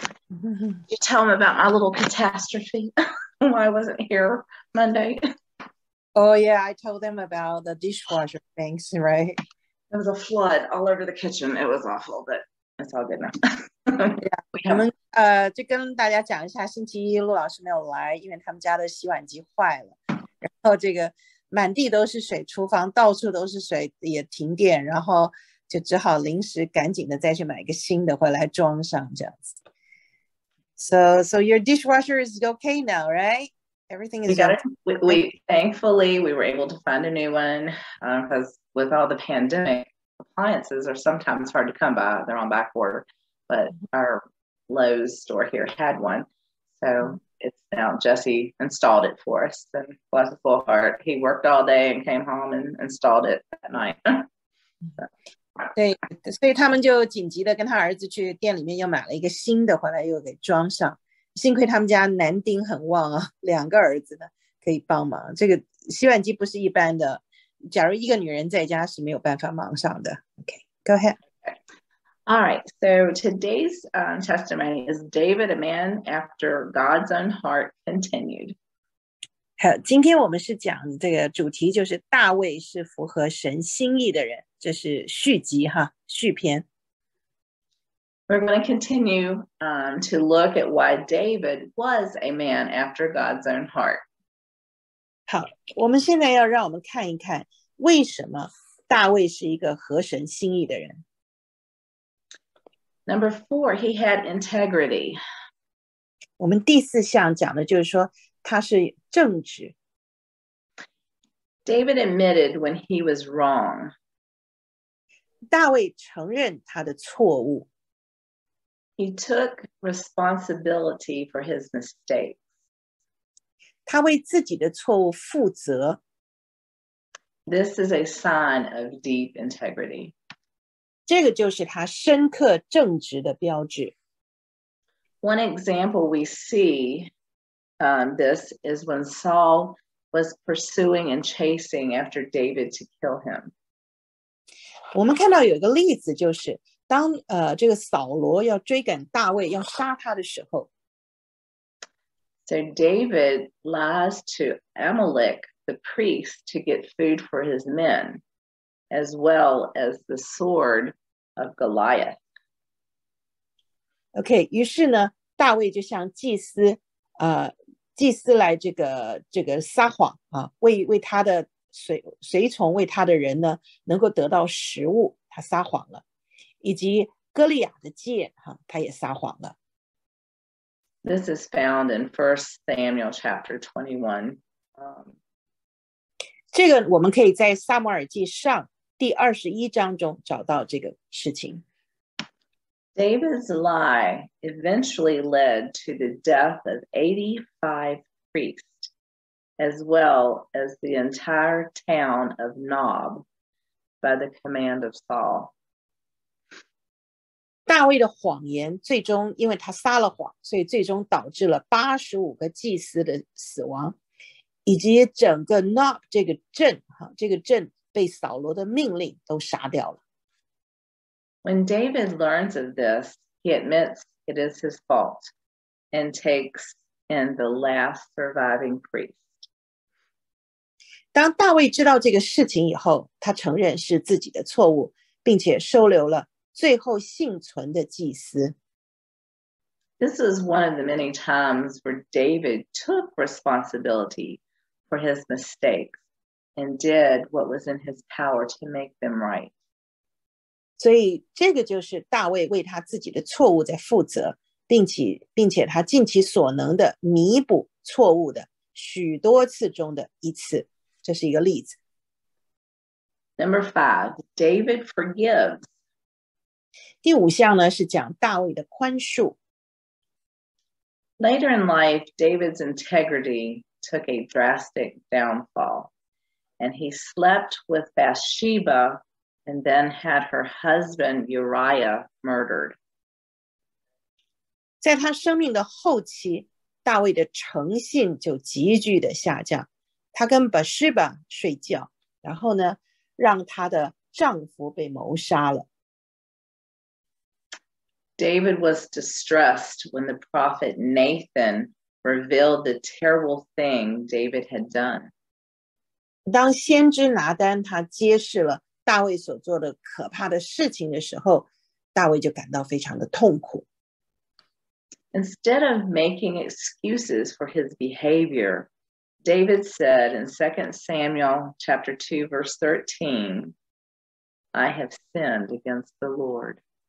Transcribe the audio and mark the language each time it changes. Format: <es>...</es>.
<en>You tell him about my little catastrophe, why I wasn't here Monday. Oh, yeah, I told them about the dishwasher things, right? There was a flood all over the kitchen. It was awful, but it's all good now. Yeah, We</en> <zh>我</zh> <en>have.</en> <zh>们就跟大家讲一下，星期一陆老师没有来，因为他们家的洗碗机坏了，然后这个满地都是水，厨房到处都是水，也停电，然后就只好临时赶紧的再去买一个新的回来装上，这样子。</zh> <en>So your dishwasher is okay now, right? Everything We is got okay. it. We thankfully we were able to find a new one because with all the pandemic, appliances are sometimes hard to come by. They're on back order, but our Lowe's store here had one, so it's now Jesse installed it for us. And bless his little heart, he worked all day and came home and installed it at night.</en> <zh>对，所以他们就紧急的跟他儿子去店里面又买了一个新的回来，又给装上。幸亏他们家男丁很旺啊，两个儿子呢可以帮忙。这个洗碗机不是一般的，假如一个女人在家是没有办法忙上的。</zh> <en>OK，go ahead。 All right, so today's testimony is David, a man after God's own heart, continued.</en> <zh>好，今天我们是讲这个主题，就是大卫是符合神心意的人。这是续集哈，续篇。</zh> <en>We're going to continue to look at why David was a man after God's own heart.</en> <zh>好，我们现在要让我们看一看，为什么大卫是一个合神心意的人。</zh> <en>Number four, he had integrity.</en> <zh>我们第四项讲的就是说，他是正直。</zh> <en>David admitted when he was wrong.</en> <zh>大卫承认他的错误。</zh> <en>He took responsibility for his mistakes.</en> <zh>他为自己的错误负责。</zh> <en>This is a sign of deep integrity.</en> <zh>这个就是他深刻正直的标志。</zh> <en>One example we see, this is when Saul was pursuing and chasing after David to kill him.</en> <zh>我们看到有一个例子，就是当这个扫罗要追赶大卫要杀他的时候，</zh> <en>So David lies to Amalek, the priest, to get food for his men, as well as the sword of Goliath.</en> <zh>OK，于是呢，大卫就向祭司来这个撒谎啊，为他的随从为他的人呢，能够得到食物，他撒谎了，以及哥利亚的箭哈，他也撒谎了。</zh> <en>This is found in 1 Samuel chapter 21.</en> <zh>这个我们可以在撒母耳记上第21章中找到这个事情。</zh> <en>David's lie eventually led to the death of 85 priests, as well as the entire town of Nob by the command of Saul.</en> <zh>大卫的谎言最终，因为他撒了谎，所以最终导致了85个祭司的死亡，以及整个 Nob 这个镇，哈，这个镇被扫罗的命令都杀掉了。</zh> <en>When David learns of this, he admits it is his fault and takes in the last surviving priest.</en> <zh>当大卫知道这个事情以后，他承认是自己的错误，并且收留了最后幸存的祭司。</zh> <en>This is one of the many times where David took responsibility for his mistakes and did what was in his power to make them right.</en> <zh>所以，这个就是大卫为他自己的错误在负责，并且他尽其所能的弥补错误的许多次中的一次，这是一个例子。</zh> <en>Number five, David forgives.</en> <zh>第五项呢，是讲大卫的宽恕。</zh> <en>Later in life, David's integrity took a drastic downfall, and he slept with Bathsheba and then had her husband Uriah murdered.</en> <zh>在他生命的后期，大卫的诚信就急剧的下降。他跟巴士巴睡觉，然后呢，让他的丈夫被谋杀了。</zh> <en>David was distressed when the prophet Nathan revealed the terrible thing David had done.</en> <zh>当先知拿单他揭示了大卫所做的可怕的事情的时候，大卫就感到非常的痛苦。</zh> <en>Instead of making excuses for his behavior, David said in 2 Samuel chapter 2 verse 13, I have sinned against the Lord.</en>